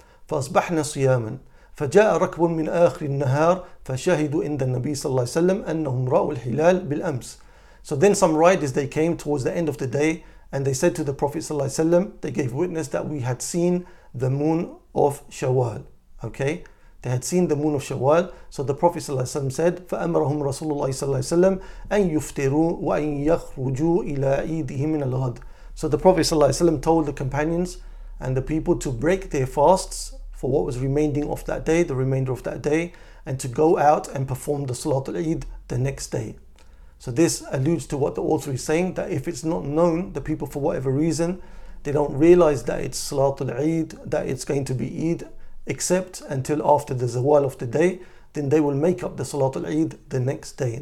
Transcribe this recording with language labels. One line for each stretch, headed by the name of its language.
Arabic: فَأَصْبَحْنَا صِيَامًا فَجَاءَ رَكْبٌ مِنْ آخْرِ النَّهَارِ فَشَهِدُوا إِنْدَ النَّبِيِّ صَلَّى اللَّهِ عَلَيْهِ وَسَلَّمَ أَنَّهُمْ رَأُوا الْحِلَالِ بِالْأَمْسِ.
English: So then some riders, they came towards the end of the day and they said to the Prophet Sallallahu Alaihi Wasallam, they gave witness that we had seen the moon of Shawwal. Okay, they had seen the moon of Shawwal. So the Prophet Sallallahu Alaihi Wasallam said,
Arabic: فَأَمَرَهُمْ رَسُولُ اللَّهِ صَلَّى اللَّهِ وَسَلَّمَ أَنْ يُفْتِرُوا وَأَنْ يَخْرُجُوا إِلَىٰ عِيدِهِ مِنَ الْغَدِ.
English: So the Prophet Sallallahu Alaihi Wasallam told the companions and the people to break their fasts for what was remaining of that day, the remainder of that day, and to go out and perform the Salatul Eid the next day. So this alludes to what the author is saying, that if it's not known, the people, for whatever reason, they don't realize that it's Salatul Eid, that it's going to be Eid, except until after the Zawal of the day, then they will make up the Salatul Eid the next day.